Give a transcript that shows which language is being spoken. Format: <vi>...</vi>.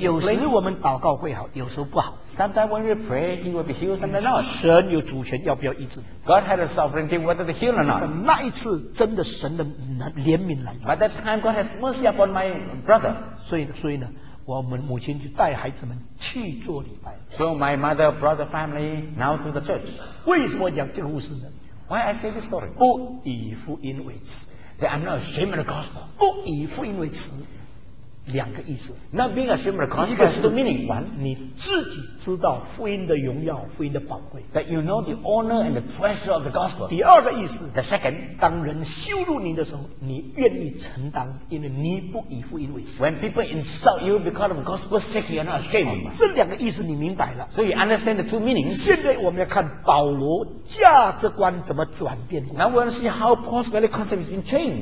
<zh>有时我们祷告会好，有时不好。</zh> <en>Sometimes when we pray, he will be healed. Sometimes not.</en> <zh>神有主权要不要医治</zh> <en>？God had a sovereignty whether to heal or not.</en> <zh>那一次真的神的怜悯来了。</zh> <en>By that time, God has mercy upon my brother.</en> <zh>所以呢，我们母亲就带孩子们去做礼拜。</zh> <en>So my mother brought the family now to the church.</en> <zh>为什么讲这个故事呢</zh> <en>？Why I say this story?</en> <zh>不以福音为耻</zh> <en>，That I'm not ashamed of the gospel.</en> <zh>不以福音为耻。两个意思</zh> <en>Not being ashamed of the gospel</en> <zh>一个是</zh> <en>the meaning</en> <zh>你自己知道福音的荣耀福音的宝贵</zh> <en>That you know the honor and the treasure of the gospel</en> <zh>第二个意思</zh> <en>The second</en> <zh>当人羞辱你的时候你愿意承担因为你不以福音为耻</zh> <en>When people insult you because of gospel sake you're not ashamed</en> <zh>这两个意思你明白了</zh> <en>So you understand the two meanings</en> <zh>现在我们要看保罗价值观怎么转变</zh> <en>Now we're going to see how Paul's value concept has been changed</en>